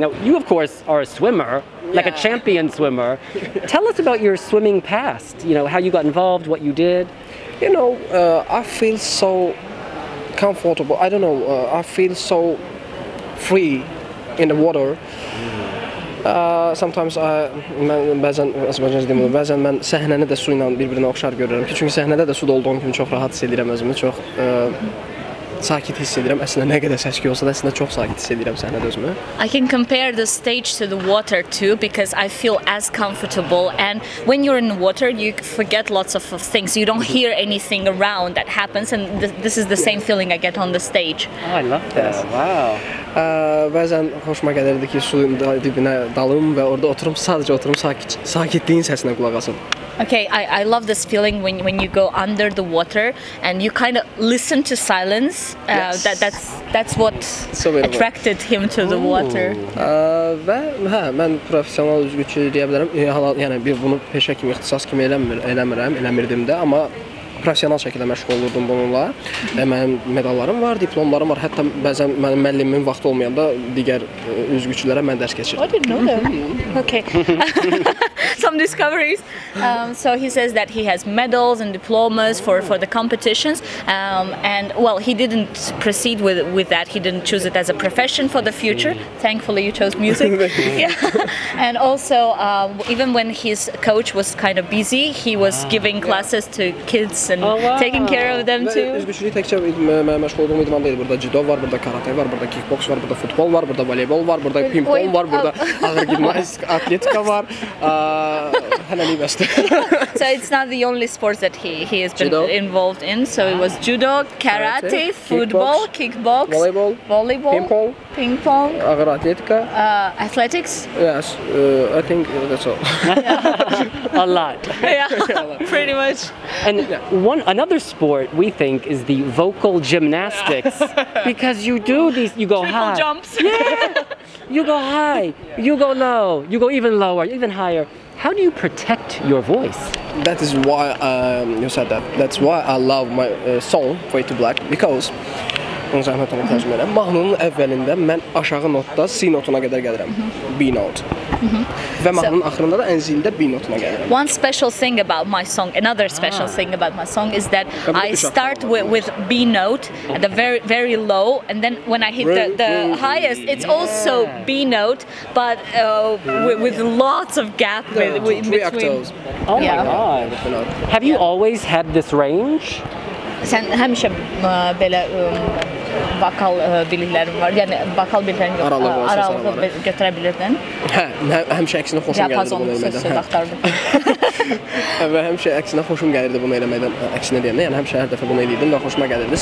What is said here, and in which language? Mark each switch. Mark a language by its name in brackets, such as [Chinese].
[English] Now, you of course are a swimmer, like a champion swimmer. Tell us about your swimming past. You know, how you got involved, what you did. You know, I feel so comfortable. I don't know. I feel so free in the water. Sometimes I, [Azerbaijani] bəzən mən səhnəni də su ilə bir-birinə oxşar görürəm ki, çünki səhnədə də su dolduğum kimi çox rahat hiss edirəm özümü, çox sakit hiss edirəm. Əslində nə qədər səs-küy olsa da, əslində çox sakit hiss edirəm səhnədə özümü. [English] I can compare the stage to the water too, because I feel as comfortable, and when you're in the water, you forget lots of things. You don't hear anything around that happens, and this is the same feeling I get on the stage. Oh, I love this. Wow. [Azerbaijani] Bəzən xoşuma gəlirdi ki, suyun dibinə dalım və orada oturum, sadəcə oturum, sakitliyin səsinə qulaq asım. [English] Okay, I love this feeling when you go under the water and you kind of listen to silence. That's what so attracted him to the water. [Azerbaijani] Və hə, mən professional üzgüçü deyə bilərəm. Yəni bunu peşə kimi, ixtisas kimi eləmirəm, eləmirdim də, amma profesyonel şəkildə məşğul olurdum bununla. Mənim medallarım var, diplomlarım var. Hətta bəzən mənim müəllimimin vaxtı olmayanda digər üzgüçülərə mən dərs keçirdim. [English] I didn't know that. Okay. Some discoveries. So he says that he has medals and diplomas for the competitions. And well, he didn't proceed with that. He didn't choose it as a profession for the future. Thankfully, you chose music. And also, even when his coach was kind of busy, he was giving classes to kids and taking care of them too. [Azerbaijani] Üzgüçülük təkcə məşğul olduğum idman deyil. Burada judo var, burada karate var, burada kickbox var, burada futbol var, burada voleybol var, burada ping-pong var, burada ağır gimnastik, atletika var. [English] So it's not the only sports that he has been involved in. So it was judo, karate, football, kickbox, volleyball, ping pong, [Azerbaijani] ağır atletika, [English] athletics. Yes, I think that's all. A lot. Yeah, pretty much. And another sport we think is the vocal gymnastics because you do these, you go triple high jumps. Yeah. You go high, you go low, you go even lower, even higher. How do you protect your voice? That is why you said that. That's why I love my song, Fade to Black, because [Azerbaijani] onu zəhmət olun təcrübə edəm. Mahnının əvvəlində mən aşağı notda C notuna qədər gəlirəm. [English] B note. [Azerbaijani] Və mahnının axırında da ən zilində B notuna gəlirəm. [English] One special thing about my song, another special thing about my song is that I start with B note at the very, very low, and then when I hit the highest, it's also B note, but with lots of gap in between. Three octaves. Oh my god. Have you always had this range? [Azerbaijani] Sən həmişə belə vokal biliklərin var. Yəni vokal biliklərin aralığı götürə bilirdin. Hə, həmişə əksinə xoşum gəlirdi bunu eləməkdə. Diapazonu axtardım. Və həmişə əksinə xoşum gəlirdi bunu eləməkdən, əksinə deyəndə, yəni həmişə hər dəfə bunu eləyirdim və xoşuma gəlirdi.